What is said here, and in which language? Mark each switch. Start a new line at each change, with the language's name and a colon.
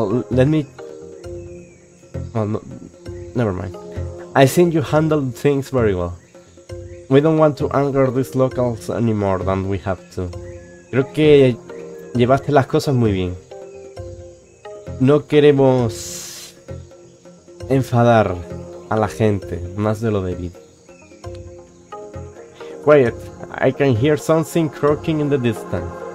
English: Never mind. I think you handled things very well. We don't want to anger these locals any more than we have to.
Spanish: Creo que llevaste las cosas muy bien. No queremos enfadar a la gente más de lo debido.
English: Quiet. I can hear something croaking in the distance.